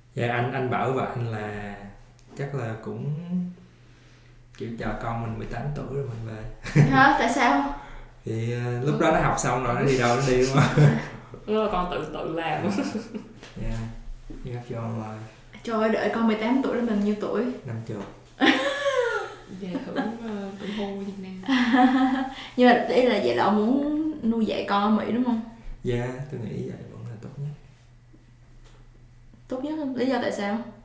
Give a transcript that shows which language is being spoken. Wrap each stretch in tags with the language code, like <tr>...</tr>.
<vi>Anh bảo với bạn là chắc là cũng kiểu chờ con mình 18 tuổi rồi mình về. Hả? Tại sao? Thì lúc đó nó học xong rồi nó đi đâu nó đi đúng không? Rồi con tự làm.</vi> <en>Yeah, you have your own life.</en> <vi>Trời ơi, đợi con 18 tuổi là mình nhiêu tuổi? 5 chục. Dạ, thử hôn Việt Nam. Nhưng mà vậy là ông muốn nuôi dạy con ở Mỹ đúng không? Dạ, tôi nghĩ vậy vẫn là tốt nhất. Tốt nhất không? Lý do tại sao?</vi>